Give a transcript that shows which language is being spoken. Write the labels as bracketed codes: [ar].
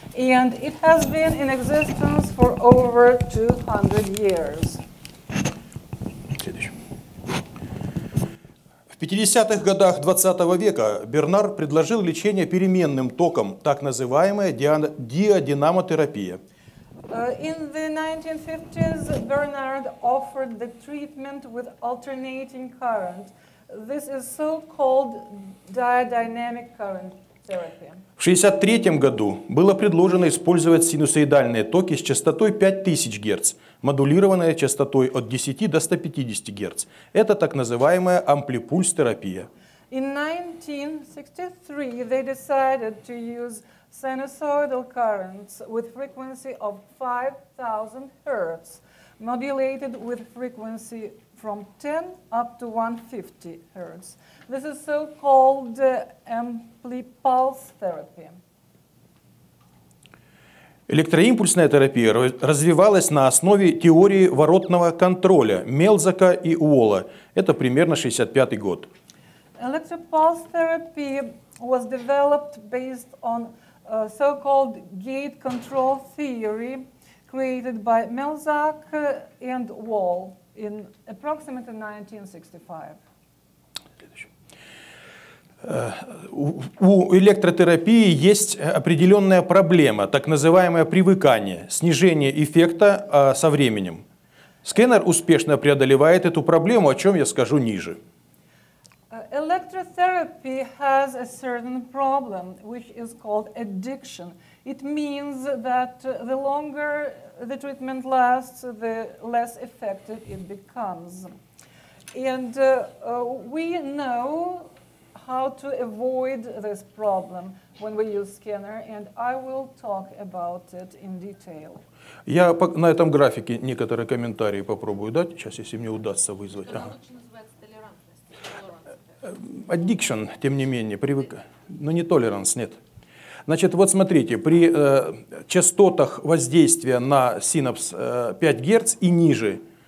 [en] And it has been in existence for over 200 years. [ru] В 50-х годах 20 века Бернар предложил лечение переменным током, так называемая диадинамотерапия. [en] In the 1950s, Bernard offered the treatment with alternating current. This is so-called diadynamic current. [ru] В 1963 году было предложено использовать синусоидальные токи с частотой 5000 Гц, модулированные частотой от 10 до 150 Гц. Это так называемая амплипульс-терапия. [en] In 1963 they decided to use sinusoidal currents with frequency of 5000 Hz, modulated with frequency from 10 up to 150 Hz. This is so-called amplipulse therapy. [ru] Электроимпульсная терапия развивалась на основе теории воротного контроля Мелзака и Уолла. Это примерно 65 год. [en] Electropulse therapy was developed based on so-called gate control theory created by Мелзак and Уолл in approximately 1965. [ru] У электротерапии есть определенная проблема, так называемое привыкание, снижение эффекта со временем. Сканер успешно преодолевает эту проблему, о чем я скажу ниже. [en] Electrotherapy has a certain problem, which is called addiction. It means that the longer the treatment lasts, the less effective it becomes. And we know how to avoid this problem when we use scanner, and I will talk about it in detail. [ru] Я на этом графике некоторые комментарии попробую дать, сейчас, если мне удастся вызвать. Это лучше называется толерантность. Addiction, тем не менее, привык. Но не толеранс, нет. Значит, вот смотрите, при частотах воздействия на синапс 5 Гц и ниже.